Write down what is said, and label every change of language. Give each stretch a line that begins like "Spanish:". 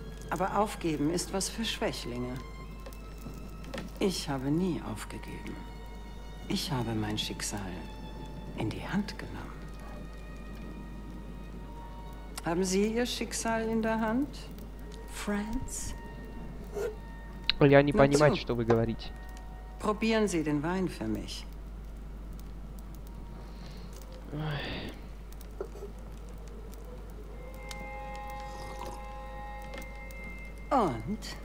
German: Aber aufgeben ist was für Schwächlinge. Ich habe nie aufgegeben. Ich habe mein Schicksal in die Hand genommen. Haben Sie Ihr Schicksal in der Hand, Franz?
Russian: Я не понимаю, что вы говорите.
German: Probieren Sie den Wein für mich. Ой. Und?